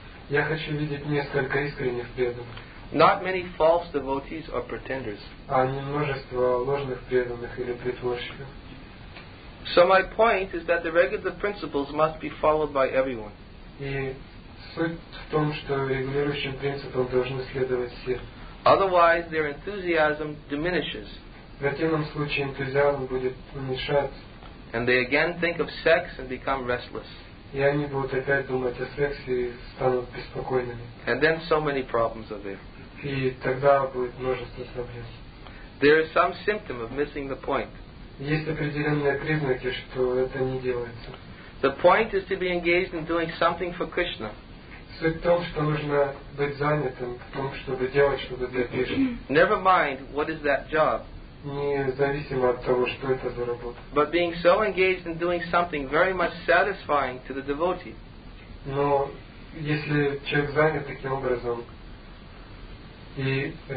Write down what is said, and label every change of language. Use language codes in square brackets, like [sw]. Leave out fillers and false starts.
[ru] Я хочу видеть несколько искренних преданных. [en] Not many false devotees or pretenders. [ru] А не множество ложных преданных или притворщиков. [en] So my point is that the regular principles must be followed by everyone. [ru] И суть в том, что регулирующим принципам должны следовать все. [en] Otherwise, their enthusiasm diminishes. [ru] В противном случае энтузиазм будет уменьшаться. [en] And they again think of sex and become restless. [ru] И они будут опять думать о сексе и станут беспокойными. [en] And then so many problems are there. [ru] И тогда будет множество проблем. [en] There is some symptom of missing the point. [ru] Есть определенные признаки, что это не делается. [en] The point is to be engaged in doing something for Krishna. [ru] Суть в том, что нужно быть занятым, в том, чтобы делать что-то для Кришны. [en] Never mind what is that job. [ru] Независимо от того, что это за работа. [en] But being so engaged in doing something very much satisfying to the devotee. [ru] Но если человек занят таким образом и